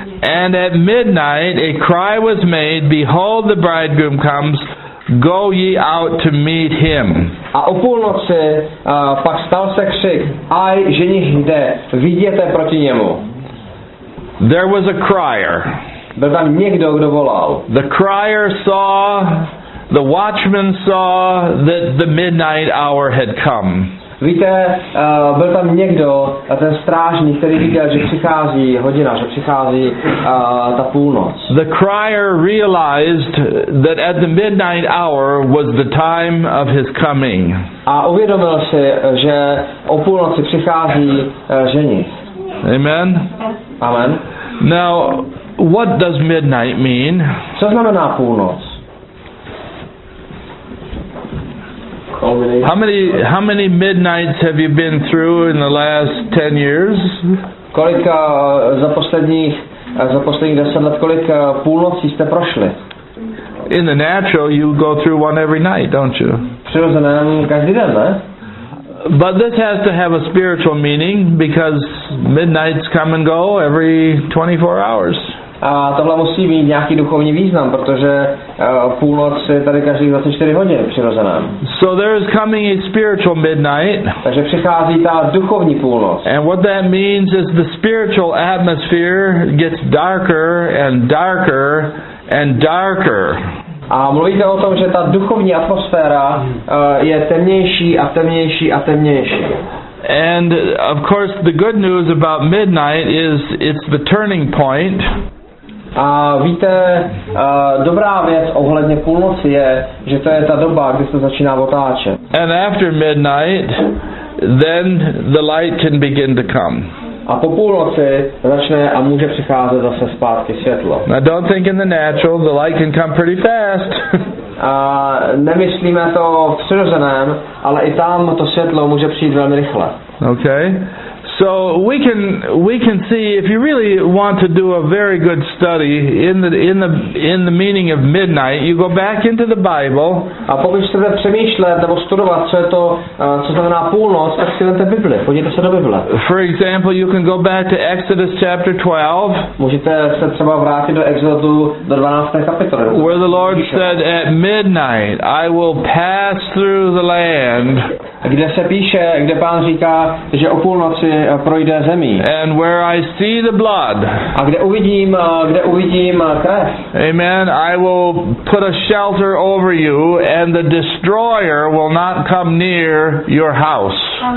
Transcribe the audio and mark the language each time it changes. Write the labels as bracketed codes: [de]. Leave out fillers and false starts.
[en] And at midnight a cry was made, behold the bridegroom comes, go ye out to meet him. [cs] A o půlnoci pak stal se křik, aj ženich jde, vyjděte proti němu. [en] There was a crier. [cs] Byl tam někdo, kdo volal. [en] The crier saw the watchman saw that the midnight hour had come. [cs] Víte, byl tam někdo, ten strážník, který viděl, že přichází hodina, že přichází ta půlnoc. [en] The crier realized that at the midnight hour was the time of his coming. [cs] A uvědomil si, že o půlnoci přichází ženich. [en] Amen. Amen. Now, what does midnight mean? [cs] Co znamená půlnoc? [en] How many midnights have you been through in the last 10 years? [cs] Kolik za posledních 10 let, kolik půlnocí jste prošli? [en] In the natural, you go through one every night, don't you? [cs] Přirozeně, každý den, ne? [en] But this has to have a spiritual meaning because midnights come and go every 24 hours. [cs] A tohle musí mít nějaký duchovní význam, protože půlnoc je tady každých 24 hodin přirozená. [en] So there is coming a spiritual midnight. [cs] Takže přichází ta duchovní půlnoc. [en] And what that means is the spiritual atmosphere gets darker and darker and darker. [cs] A mluvíte o tom, že ta duchovní atmosféra je temnější a temnější a temnější. [en] And of course the good news about midnight is it's the turning point. [cs] A víte, dobrá věc ohledně půlnoci je, že to je ta doba, kdy se začíná otáčet. [en] And after midnight, then the light can begin to come. [cs] A po půlnoci začne a může přicházet zase zpátky světlo. [en] Now don't think in the natural, the light can come pretty fast. [cs] A nemyslíme to v přirozeném, ale i tam to světlo může přijít velmi rychle. [en] Okay. So we can see if you really want to do a very good study in the meaning of midnight, you go back into the Bible. [cs] A pokud chcete přemýšlet nebo studovat, co je to, co znamená půlnoc, tak si vezměte Bibli. Podívejte se do Bible. [en] For example, you can go back to Exodus chapter 12. [cs] Můžete se třeba vrátit do Exodu do 12. kapitoly. [en] Where the Lord said, "At midnight, I will pass through the land." [cs] Kde se píše, kde Pán říká, že o půlnoci projde zemí. [en] And where I see the blood. [cs] A kde uvidím krev. [en] Amen. I will put a shelter over you and the destroyer will not come near your house.